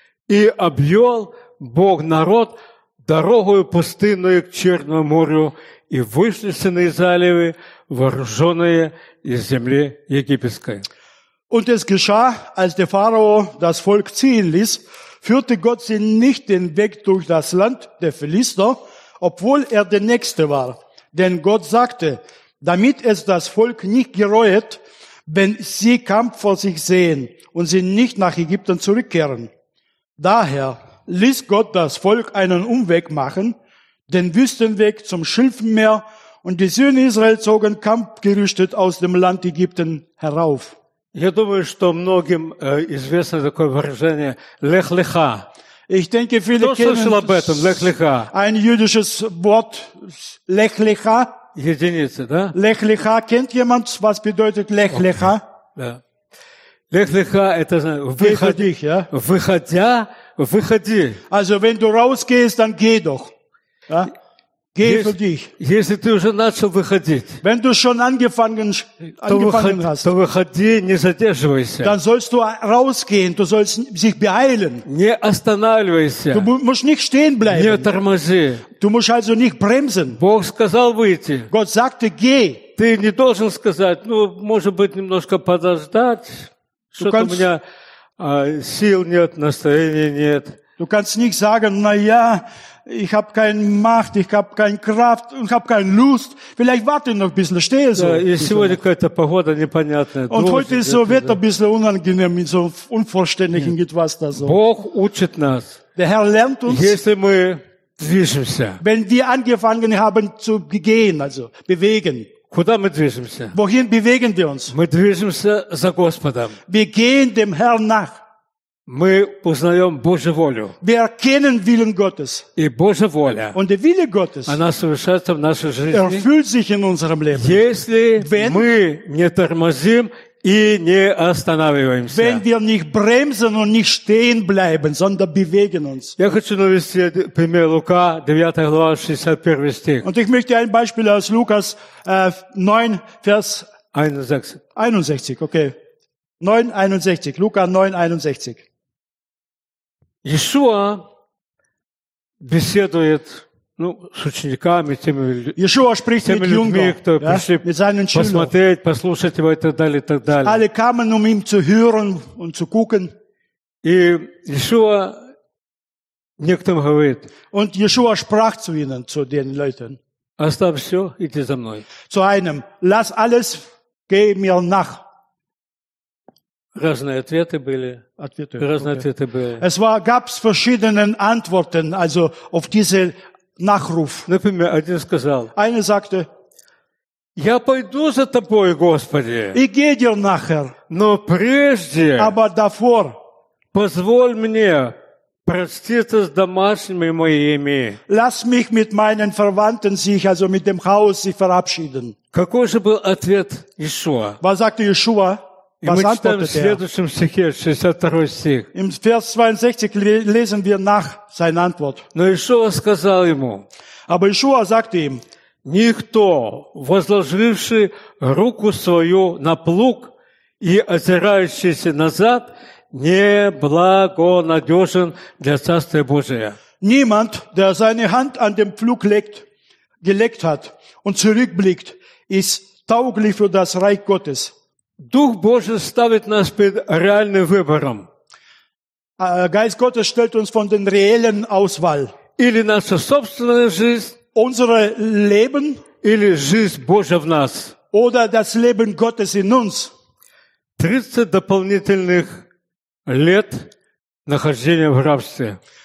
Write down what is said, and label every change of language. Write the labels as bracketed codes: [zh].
[ru] И обвел Бог народ дорогою пустынную к Черному морю И вышли сыны Израилевы, вооруженные из земли египетской. [de] Und es geschah, als der Pharao das Volk ziehen ließ, führte Gott sie nicht den Weg durch das Land der Philister, obwohl der Nächste war. Denn Gott sagte, damit es das Volk nicht gereuet, wenn sie Kampf vor sich sehen und sie nicht nach Ägypten zurückkehren. Daher ließ Gott das Volk einen Umweg machen, den Wüstenweg zum Schilfmeer, und die Söhne Israel zogen kampfgerüstet aus dem Land Ägypten herauf. [ru] Я думаю, что многим известно такое выражение «Лех-Леха». [de] Ich denke, viele [ru] Кто слышал об этом «Лех-Леха»? [de] Ein jüdisches Wort «Лех-Леха». [ru] Единицы, да? [he] «Лех-Леха». [de] Kennt jemand, was bedeutet «Лех-Леха»? [ru] Да. «Лех-Леха» – это «выходи». «Выходя, выходи». [de] Also, wenn du rausgehst, dann geh doch. Ja? Geh für dich. [ru] Если ты уже начал выходить, [de] wenn du schon angefangen hast, [ru] то выходи, не задерживайся. [de] Dann sollst du rausgehen, du sollst dich beeilen. [ru] Не останавливайся. [de] Du musst nicht stehen bleiben. [ru] Не тормози. [de] Du musst also nicht bremsen. [ru] Бог сказал выйти. [de] Gott sagte, geh. [ru] Ты не должен сказать, ну, может быть, немножко подождать, что-то у меня сил нет, настроения нет. [de] Du kannst nicht sagen, na ja, ich habe keine Macht, ich habe keine Kraft und ich habe keine Lust. Vielleicht warte noch ein bisschen, stehe so. Ja, [ru] сегодня какая-то погода непонятная. [de] Und heute ist so Wetter ein bisschen unangenehm, so unvollständig in etwas da so. [ru] Бог учит нас. [de] Der Herr lernt uns. [ru] Если мы движемся. [de] Wenn wir angefangen haben zu gehen, also bewegen. [ru] Куда мы движемся? [de] Wohin bewegen wir uns? [ru] Мы движемся за Господом. [de] Wir gehen dem Herrn nach. [ru] Мы познаем Божью волю. [de] Wir erkennen Willen Gottes. [ru] И Божья воля. [de] Und der Wille Gottes. [ru] Она совершается в нашей жизни. [de] Erfüllt sich in unserem Leben. [ru] Если мы не тормозим и не останавливаемся. [de] Wenn wir nicht bremsen und nicht stehen bleiben, sondern bewegen uns. [ru] Я хочу навести пример Лука, 9 глава, 61 стих. [de] Und ich möchte ein Beispiel aus Lukas 9, Vers 61, okay. 9,61, Luca 9,61. [ru] Иешуа беседует, ну, с учениками, теми людьми, кто пришли посмотреть, послушать его и так далее, и так далее. [de] Alle kamen, um ihm zu hören und zu gucken. [ru] И Иешуа некоторым говорит. [de] Und Иешуа sprach zu ihnen, zu den Leuten. [ru] Оставь все, иди за мной. [de] Zu einem, lass alles, geh mir nach. [ru] Разные ответы были. Ответы были. [de] Es war, gab's verschiedene Antworten, also auf diesen Nachruf. [ru] Например, один сказал. [de] Einer sagte: [ru] Я пойду за тобой, Господи. [de] Ich gehe dir nachher. [ru] Но прежде. [de] Aber davor. [ru] Позволь мне проститься с домашними моими. [de] Lass mich mit meinen Verwandten sich, also mit dem Haus, sich verabschieden. [ru] Какой же был ответ Иешуа? [de] Was sagte Иешуа? [ru] И мы читаем в следующем стихе, 62 стих. [de] Im Vers 62 lesen wir nach seine Antwort. [ru] Но Иешуа сказал ему, [de] aber Иешуа sagte ihm, [ru] никто, возложивший руку свою на плуг и озирающийся назад, не благонадежен для Царствия Божия. [de] Niemand, der seine Hand an den Pflug gelegt hat und zurückblickt, ist tauglich für das Reich Gottes. [ru] Дух Божий ставит нас перед реальным выбором. [de] Geist Gottes stellt uns von den reellen Auswahl. [ru] Или наша собственная жизнь. [de] Unsere Leben. [ru] Или жизнь Божия в нас. [de] Oder das Leben Gottes in uns. [ru] 30 дополнительных лет нахождения в рабстве.